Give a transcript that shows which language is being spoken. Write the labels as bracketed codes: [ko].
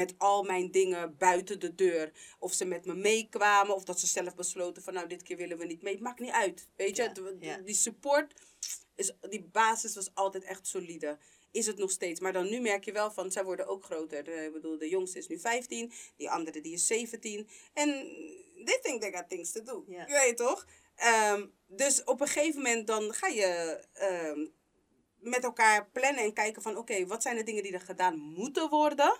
[nl] Met al mijn dingen buiten de deur. Of ze met me meekwamen. Of dat ze zelf besloten van nou dit keer willen we niet mee. Maakt niet uit. Weet je? Die support, die basis was altijd echt solide. Is het nog steeds. Maar dan nu merk je wel van, zij worden ook groter. Ik bedoel, de jongste is nu 15. Die andere die is 17. [en] En they think they got things to do. [nl] Yeah. Je weet toch? Dus op een gegeven moment dan ga je met elkaar plannen. En kijken van, oké, wat zijn de dingen die er gedaan moeten worden?